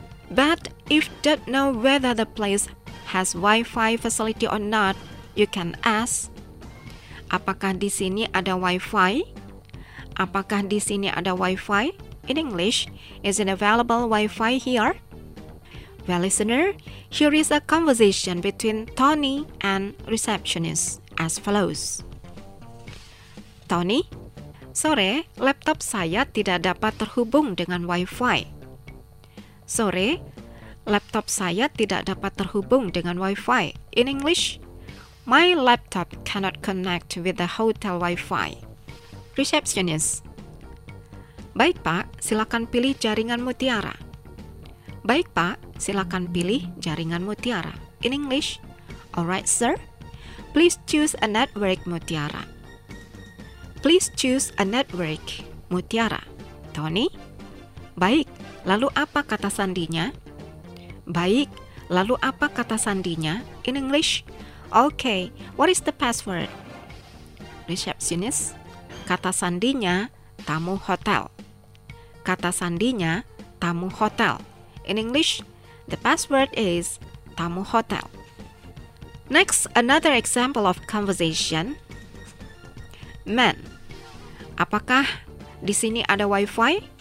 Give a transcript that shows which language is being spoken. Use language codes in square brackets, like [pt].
[en] But if you don't know whether the place has Wi-Fi facility or not, you can ask, [id] apakah di sini ada Wi-Fi? Apakah di sini ada Wi-Fi? [en] In English, is it available Wi-Fi here? Well, listener, here is a conversation between Tony and receptionist as follows. [id] Tony, sore, laptop saya tidak dapat terhubung dengan Wi-Fi. Sore, laptop saya tidak dapat terhubung dengan Wi-Fi. [en] In English, My laptop cannot connect with the hotel Wi-Fi. [id] Receptionist. Baik, Pak, silakan pilih jaringan mutiara. Baik, Pak, silakan pilih jaringan mutiara. [en] In English. Alright, sir. Please choose a network mutiara. Please choose a network mutiara. Tony. [id] Baik, lalu apa kata sandinya? Baik, lalu apa kata sandinya? [en] In English. Okay, what is the password? Receptionist. [id] Kata sandinya, tamu hotel. Kata sandinya, tamu hotel. [en] In English, the password is tamu hotel. Next, another example of conversation. Man, [id] apakah di sini ada Wi-Fi?